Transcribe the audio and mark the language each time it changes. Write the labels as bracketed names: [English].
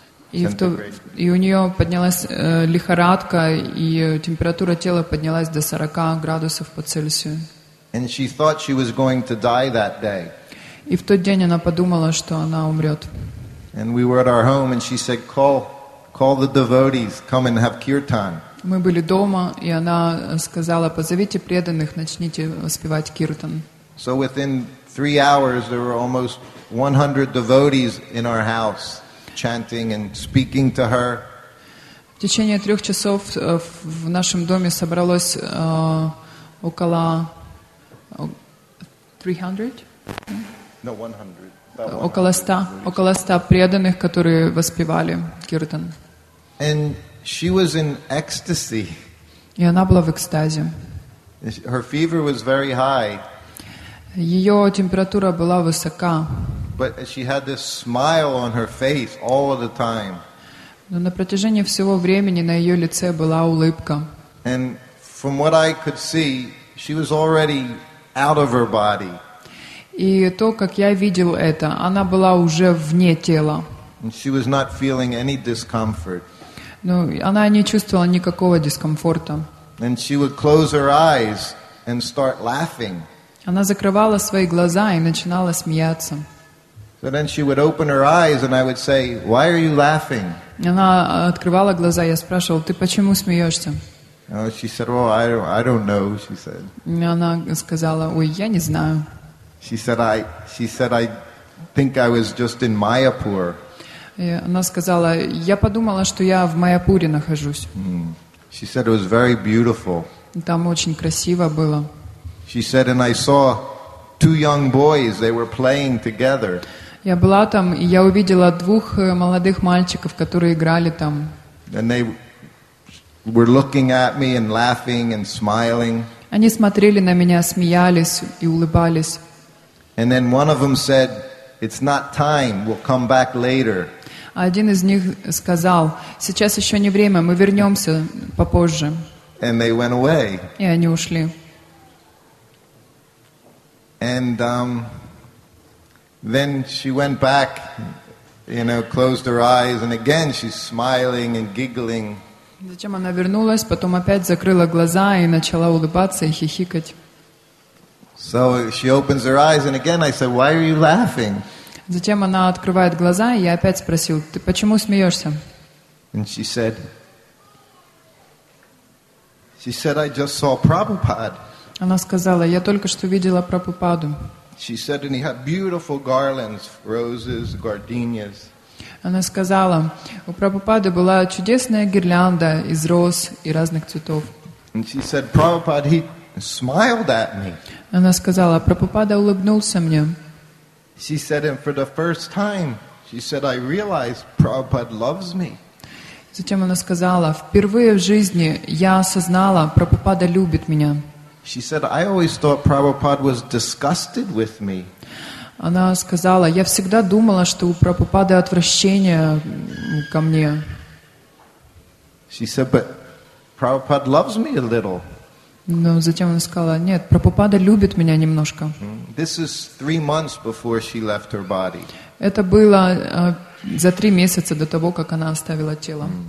[Russian] И у нее поднялась лихорадка, и температура тела поднялась до 40 градусов по Цельсию. [English] And she thought she was going to die that day. [Russian] И в тот день она подумала, что она умрет. [English] And we were at our home, and she said, call the devotees, come and have kirtan. [Russian] Мы были дома, и она сказала, позовите преданных, начните воспевать киртан. [English] So within 3 hours, there were almost 100 devotees in our house. Chanting and speaking to her. [Russian] В течение 3 часов в нашем доме собралось около 100 около 100 преданных, которые воспевали киртан. [English] And she was in ecstasy. [Russian] И она была в экстазе. [English] Her fever was very high. [Russian] Ее температура была высока. [English] But she had this smile on her face all of the time. [Russian] Но на протяжении всего времени на ее лице была улыбка. [English] And from what I could see, she was already out of her body. [Russian] И то, как я видел это, она была уже вне тела. [English] And she was not feeling any discomfort. [Russian] Ну, она не чувствовала никакого дискомфорта. [English] And she would close her eyes and start laughing. [Russian] Она закрывала свои глаза и начинала смеяться. [English] So then she would open her eyes and I would say, "Why are you laughing?" [Russian] Она открывала глаза, я спрашивал, ты почему смеешься? [English] Oh, she said, "Well, I don't know," she said. [Russian] Она сказала, ой, я не знаю. [English] She said, I think I was just in Mayapur. [Russian] И она сказала, я подумала, что я в Майяпуре нахожусь. [English] Mm. She said it was very beautiful. [Russian] Там очень красиво было. [English] She said, and I saw two young boys, they were playing together. [Russian] Я была там, и я увидела двух молодых мальчиков, которые играли там. [English] And they were looking at me and laughing and smiling. [Russian] Они смотрели на меня, смеялись и улыбались. [English] And then one of them said, it's not time, we'll come back later. [Russian] Один из них сказал, сейчас еще не время, мы вернемся попозже. [English] And they went away. [Russian] И они ушли. [English] And then she went back, you know, closed her eyes, and again she's smiling and giggling. [Russian] Затем она вернулась, потом опять закрыла глаза и начала улыбаться и хихикать. [English] So she opens her eyes, and again I said, "Why are you laughing?" [Russian] Затем она открывает глаза, и я опять спросил, ты почему смеешься? [English] And she said, "I just saw Prabhupada." [Russian] Она сказала, я только что видела Прабхупаду. [English] She said, and he had beautiful garlands, roses, gardenias. [Russian] Она сказала, у Прабхупады была чудесная гирлянда из роз и разных цветов. [English] And she said, Prabhupada, he smiled at me. [Russian] Она сказала, Прабхупада улыбнулся мне. [English] She said, and for the first time, she said, I realized Prabhupada loves me. [Russian] Затем она сказала, впервые в жизни я осознала, Прабхупада любит меня. [English] She said, I always thought Prabhupada was disgusted with me. [Russian] Она сказала, я всегда думала, что у Прабхупады отвращение ко мне. [English] She said, but Prabhupada loves me a little. [Russian] Но затем она сказала, нет, Прабхупада любит меня немножко. [English] This is 3 months before she left her body. [Russian] Это было за 3 месяца до того, как она оставила тело.